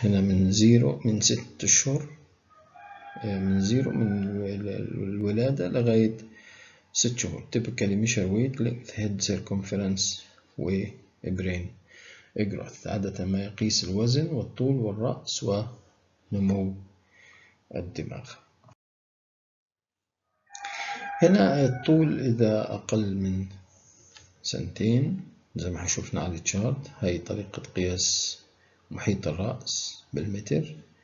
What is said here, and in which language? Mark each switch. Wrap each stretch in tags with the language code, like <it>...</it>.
<ar>هنا من 0، من 6 شهور، من زيرو من الولادة لغاية 6 شهور.</ar> <en>typically measure weight length head circumference و brain growth.</en> <ar>عادة ما يقيس الوزن والطول والرأس ونمو الدماغ. هنا الطول إذا أقل من سنتين زي ما شفنا على الشارت، هاي طريقة قياس محيط الرأس بالمتر.</ar>